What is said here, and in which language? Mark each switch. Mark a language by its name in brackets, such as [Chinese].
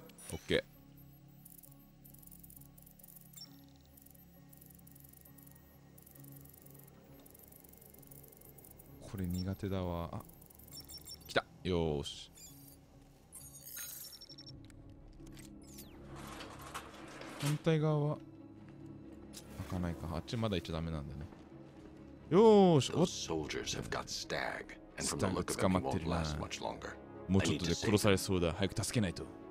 [Japanese] オッケー。これ苦手だわ。あ、来た。よーし。反対側は開かないか。あっちまだ行っちゃダメなんだね。よーし、おっ、 [English] soldiers have got stag and from the look of it, won't last much longer. [Japanese] もうちょっとで殺されそうだ。早く助けないと。